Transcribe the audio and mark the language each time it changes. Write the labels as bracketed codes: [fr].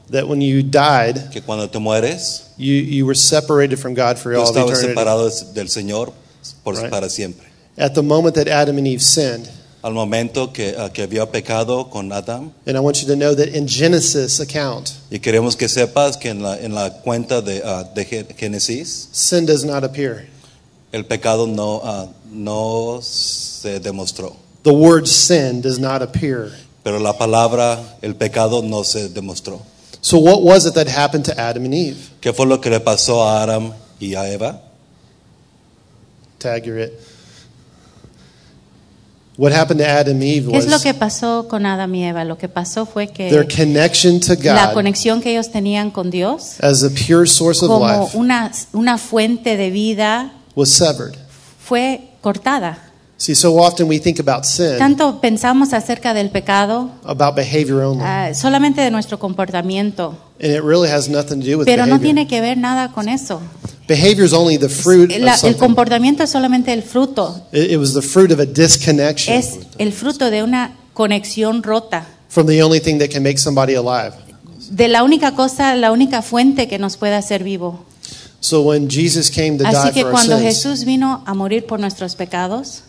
[en] That when you died, [es] que cuando te mueres, [en] you were separated from God for all of eternity. [es] Estabas separado del Señor por, right? Para siempre. [en] At the moment that Adam and Eve sinned, [es] al momento que había pecado con Adam, [en] and I want you to know that in Genesis account, [es] y queremos que sepas que en la cuenta de Génesis, [en] sin does not appear. [es] El pecado no se demostró. [en] The word sin does not appear. [es] Pero la palabra, el pecado, no se demostró. [en] So what was it that happened to Adam and Eve? [es] ¿Qué fue lo que le pasó a Adam y a Eva? [en] Tag your it. What happened to Adam and Eve was... [es] ¿Qué es lo que pasó con Adam y Eva? Lo que pasó fue que... [en] Their connection to God... [es] La conexión que ellos tenían con Dios... [en] As a pure source of life... [es] Como una fuente de vida... [en] Was severed. [es] Fue cortada. [en] See, so often we think about sin. [es] Tanto pensamos acerca del pecado. [en] About behavior only. [es] Solamente de nuestro comportamiento. [en] And it really has nothing to do with [es] pero [en] behavior. [es] Pero no tiene que ver nada con eso. [en] Behavior is only the fruit of something. [es] El comportamiento es solamente el fruto. [en] It was the fruit of a disconnection. [es] Es el fruto de una conexión rota. [en] from the only thing that can make somebody alive. [es] De la única cosa, la única fuente que nos puede hacer vivo. [en] So when Jesus came to [es] Así [en] die for [es] cuando [en] our sins, [es] cuando Jesús vino a morir por nuestros pecados,